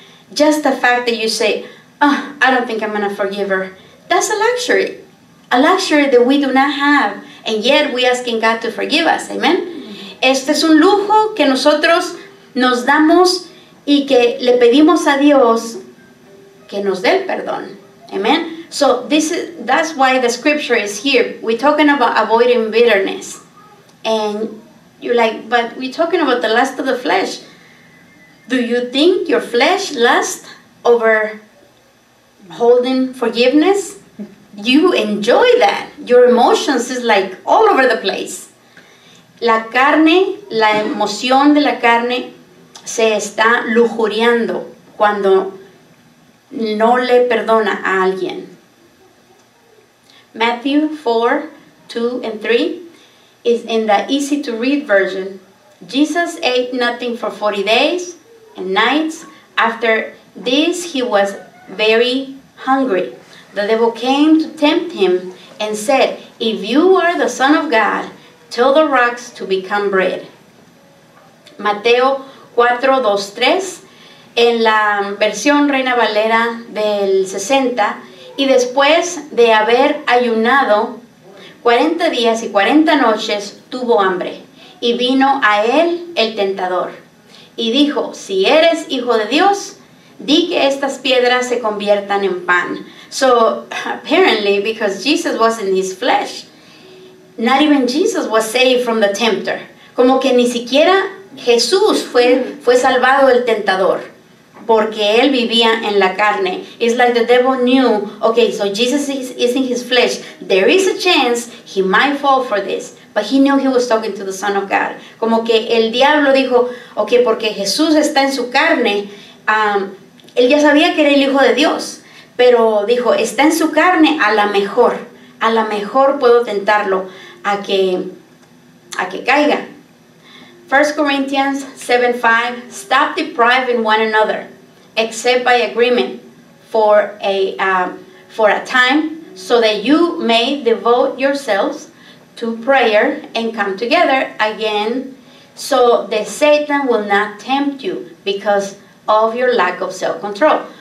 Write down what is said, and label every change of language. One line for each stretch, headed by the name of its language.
English: Just the fact that you say, oh, I don't think I'm going to forgive her. That's a luxury. A luxury that we do not have. And yet we asking God to forgive us. Amen.
Spanish: Este es un lujo que nosotros nos damos y que le pedimos a Dios que nos dé el perdón.
English: Amen. So that's why the scripture is here. We're talking about avoiding bitterness. And you're like, but we're talking about the lust of the flesh. Do you think your flesh lusts over holding forgiveness? You enjoy that. Your emotions is like all over the place.
Spanish: La carne, la emoción de la carne se está lujuriando cuando no le perdona a alguien.
English: Matthew 4, 2 and 3 is in the easy to read version. Jesus ate nothing for 40 days and nights. After this, he was very hungry. The devil came to tempt him and said, if you are the Son of God, tell the rocks to become bread.
Spanish: Mateo 4, 2, 3, en la versión Reina Valera del 60, y después de haber ayunado 40 días y 40 noches, tuvo hambre, y vino a él el tentador, y dijo, si eres hijo de Dios, di que estas piedras se conviertan en pan.
English: So, apparently, because Jesus was in his flesh, not even Jesus was saved from the tempter.
Spanish: Como que ni siquiera Jesús fue salvado del tentador porque él vivía en la carne.
English: It's like the devil knew, okay, so Jesus is in his flesh. There is a chance he might fall for this. But he knew he was talking to the Son of God.
Spanish: Como que el diablo dijo, okay, porque Jesús está en su carne, él ya sabía que era el Hijo de Dios, pero dijo, está en su carne, a lo mejor puedo tentarlo a que caiga.
English: 1 Corinthians 7:5, stop depriving one another, except by agreement, for a time, so that you may devote yourselves to prayer and come together again, so that Satan will not tempt you because of your lack of self-control.